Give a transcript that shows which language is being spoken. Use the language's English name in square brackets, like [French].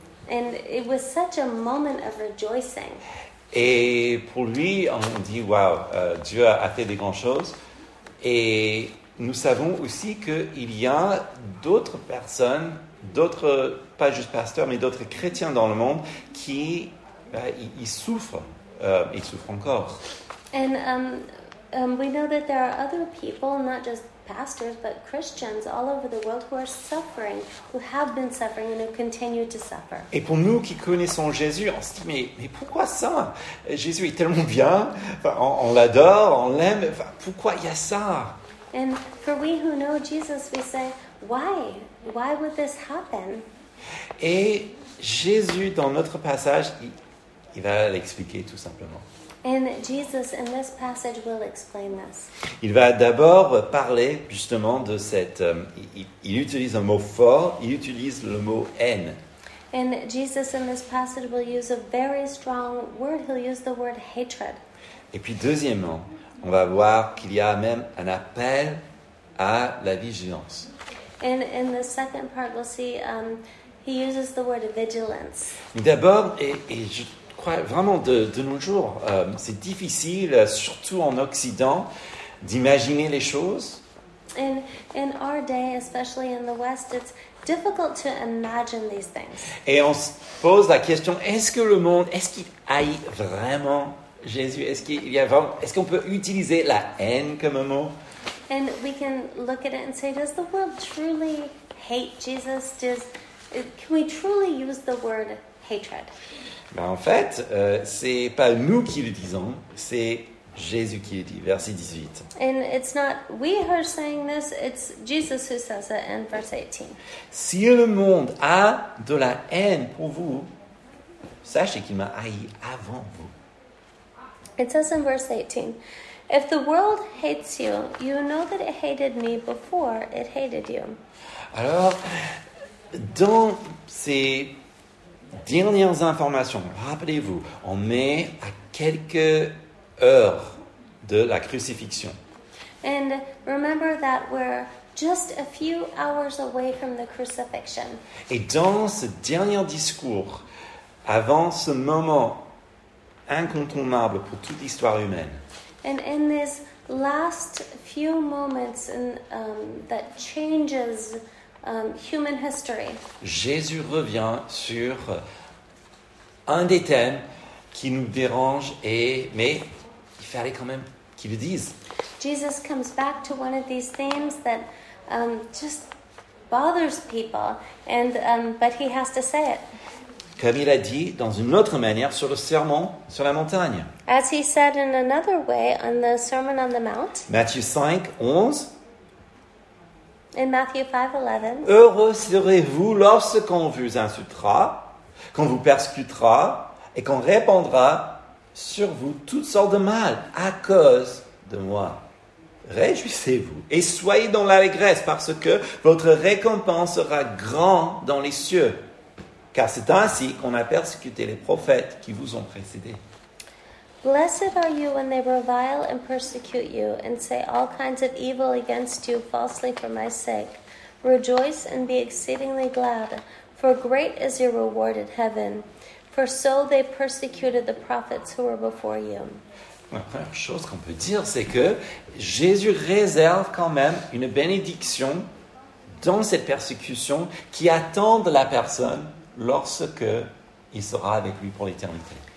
[English] And it was such a moment of rejoicing. [French] Et pour lui, on dit, wow, Dieu a fait des grandes choses. Et nous savons aussi qu'il y a d'autres personnes, d'autres, pas juste pasteurs, mais d'autres chrétiens dans le monde qui ils souffrent. Ils souffrent encore. [English] And we know that there are other people, not just pastors, but Christians all over the world who are suffering, who have been suffering and who continue to suffer. [French] Et pour nous qui connaissons Jésus, on se dit, mais pourquoi ça? Jésus est tellement bien, enfin, on l'adore, on l'aime, enfin, pourquoi il y a ça? [English] And for we who know Jesus, we say, why would this happen? [French] Et Jésus, dans notre passage, il va l'expliquer tout simplement. [English] And Jesus, in this passage, will explain this. [French] Il va d'abord parler justement de cette... il utilise un mot fort, il utilise le mot haine. [English] And Jesus, in this passage, will use a very strong word. He'll use the word hatred. [French] Et puis deuxièmement, on va voir qu'il y a même un appel à la vigilance. [English] And in the second part, we'll see he uses the word vigilance. [French] D'abord, je crois vraiment de nos jours, c'est difficile, surtout en Occident, d'imaginer les choses. [English] In our day, especially in the West, it's difficult to imagine these things. [French] Et on se pose la question, est-ce que le monde, est-ce qu'il haït vraiment Jésus? Est-ce qu'il y a vraiment, est-ce qu'on peut utiliser la haine comme un mot? [English] And we can look at it and say, does the world truly hate Jesus? Can we truly use the word hatred? [French] Ben en fait, c'est pas nous qui le disons, c'est Jésus qui le dit, verset 18. [English] And it's not we who are saying this, it's Jesus who says it in verse 18. [French] Si le monde a de la haine pour vous, sachez qu'il m'a haï avant vous. [English] It says in verse 18, if the world hates you, you know that it hated me before it hated you. [French] Alors, dans ces dernières informations, rappelez-vous, on met à quelques heures de la crucifixion. [English] And remember that we're just a few hours away from the crucifixion. [French] Et dans ce dernier discours, avant ce moment incontournable pour toute l'histoire humaine, [English] and in this last few moments in, that changes human history, [French] Jésus revient sur un des thèmes qui nous dérange, mais il fallait quand même qu'il le dise. [English] Jesus comes back to one of these themes that just bothers people, and but he has to say it. [French] Comme il a dit dans une autre manière sur le sermon sur la montagne. [English] As he said in another way on the Sermon on the Mount. [French] Matthieu 5, 11. [English] In Matthew 5, 11. [French] Heureux serez-vous lorsqu'on vous insultera, qu'on vous persécutera et qu'on répandra sur vous toutes sortes de mal à cause de moi. Réjouissez-vous et soyez dans l'allégresse parce que votre récompense sera grande dans les cieux. Car c'est ainsi qu'on a persécuté les prophètes qui vous ont précédés. [English] Blessed are you when they revile and persecute you and say all kinds of evil against you falsely for my sake. Rejoice and be exceedingly glad, for great is your reward in heaven. For so they persecuted the prophets who were before you. [French] La première chose qu'on peut dire, c'est que Jésus réserve quand même une bénédiction dans cette persécution qui attend de la personne lorsque il sera avec lui pour l'éternité.